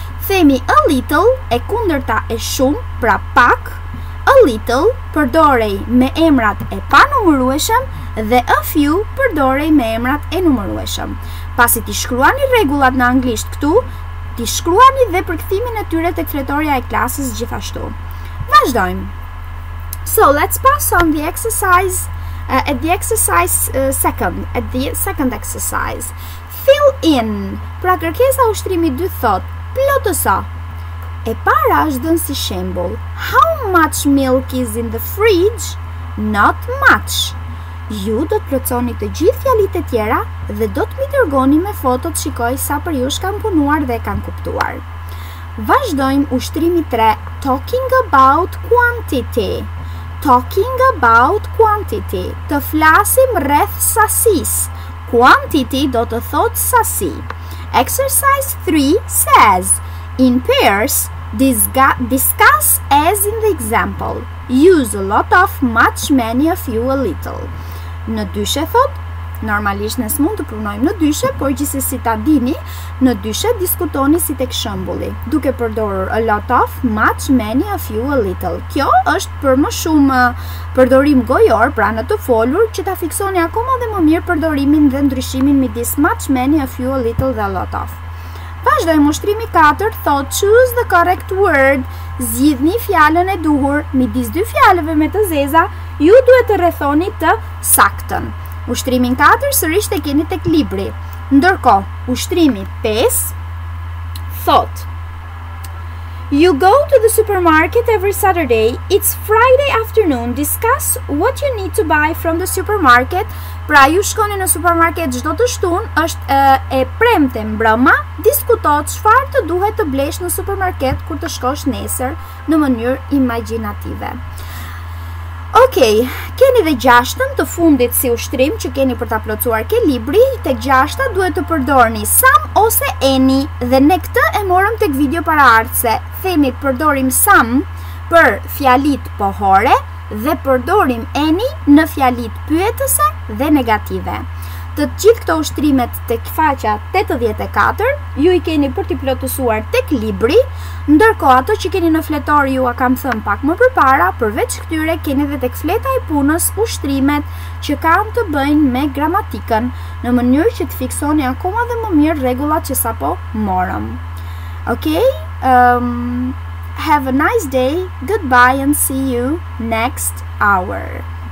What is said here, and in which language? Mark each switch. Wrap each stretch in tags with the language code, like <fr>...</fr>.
<sq>Themi a little, e kundërta e shumë, pra pak, a little përdorej me emrat e panumërueshëm dhe a few përdorej me emrat e numërueshëm. pasi t'i shkruani rregullat në anglisht këtu, t'i shkruani dhe përkthimin e tyre tek tretoria e klasës gjithashtu. Vazhdojmë.</sq> <en>So, let's pass on the exercise at the exercise second, at the second exercise. Fill in.</en> <sq>Pra kërkesa ushtrimi 2 thot, plotësa. E para është dhënë si shembull.</sq> <en>How much milk is in the fridge? Not much.</en> <sq>Ju do të plotësoni të gjithë fjalitë e tjera dhe do të më dërgoni me foto të shikoj sa për ju kanë punuar dhe kanë kuptuar. Vazhdojmë ushtrimi 3,</sq> <en>talking about quantity. Talking about quantity.</en> <sq>Të flasim rreth sasis. Quantity do të thot sasi.</sq> <en>Exercise 3 says, in pairs, discuss as in the example. Use a lot of, much, many, a few, a little.</en> <sq>Në dyshe thot, normalisht nësë mund të punojmë në dyshe, por gjithë si ta dini, në dyshe diskutoni si tek shëmbulli, duke përdorur a lot of, much, many, a few, a little. Kjo është për më shumë përdorim gojor, pra në të folur, që ta fiksoni akoma dhe më mirë përdorimin dhe ndryshimin midis much, many, a few, a little dhe a lot of. Vazhdojmë ushtrimi 4, thot</sq> <en>choose the correct word,</en> <sq>zgjidhni fjalën e duhur, midis dy fjalëve me të zeza, ju duhet të rrethoni të saktën. Ushtrimin 4 sërish të keni tek libri. Ndërkohë, ushtrimi 5 thot</sq> <en>you go to the supermarket every Saturday. It's Friday afternoon. Discuss what you need to buy from the supermarket.</en> <sq>Pra ju shkoni në supermarket çdo të shtunë, është e premte mbrëmë. Diskuto çfarë të duhet të blesh në supermarket kur të shkosh nesër në mënyrë imagjinative. Okay, keni dhe gjashtën të fundit si ushtrim që keni për ta plotësuar ke libri, tek gjashta duhet të përdorni some ose any dhe ne këtë e morëm tek video para artëse. Themi përdorim some për fjalit pohore dhe përdorim any në fjalit pyetëse dhe negative. Të gjithë këto ushtrimet tek faqa 84, ju i keni për t'i plotësuar tek libri, ndërkohë ato që keni në fletor ju a kam thënë pak më përpara, përveç këtyre keni dhe tek fleta e punës ushtrimet që kanë të bëjnë me gramatikën, në mënyrë që të fiksoni akoma dhe më mirë rregullat që sapo morëm.</sq> <en>Okay? Have a nice day, goodbye and see you next hour.</en>